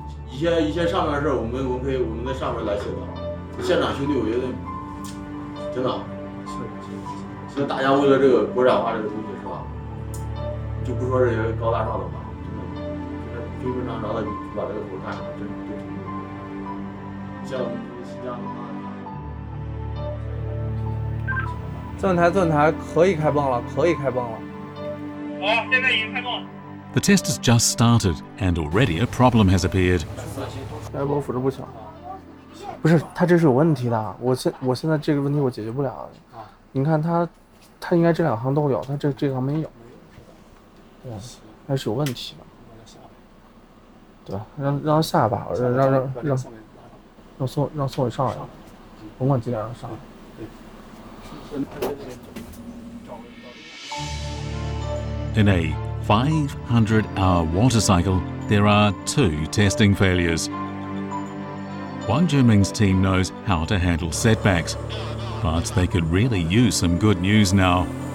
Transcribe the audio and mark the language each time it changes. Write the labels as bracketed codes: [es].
[zh] 一些上面的事我们在上面来协调。现场兄弟，我觉得真的，所以大家为了这个国产化这个东西是吧，就不说这些高大上的话，真的非常着的把这个活干了，真的。像新疆的话。钻台，可以开泵了，可以开泵了。 [en] The test has just started, and already a problem has appeared. [zh] 开泵辅助不响，不是，它这是有问题的。我现在这个问题我解决不了。你看它应该这两行都有，它这行没有。对，它是有问题的。对，让下吧，让宋伟上来，甭管几点让上来。 [en] In a 500-hour water cycle, there are two testing failures. Wang Juming's team knows how to handle setbacks, but they could really use some good news now.